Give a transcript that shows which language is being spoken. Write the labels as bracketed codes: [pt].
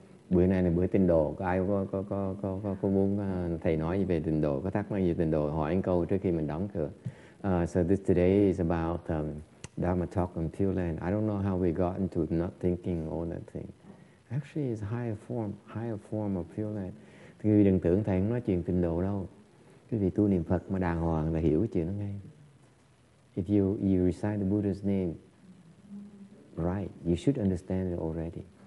[vi] Bữa nay là bữa tịnh độ, có ai có muốn thầy nói gì về tịnh độ, có thắc mắc gì về tịnh độ, hỏi anh câu trước khi mình đóng cửa. [en] So this today is about Dharma talk on Pure Land. I don't know how we got into not thinking all that thing. Actually, it's higher form of Pure Land. [vi] Quý vị đừng tưởng thầy không nói chuyện tịnh độ đâu. Quý vị tu niệm Phật mà đàng hoàng là hiểu chuyện nó ngay. [en] If you recite the Buddha's name, right, you should understand it already.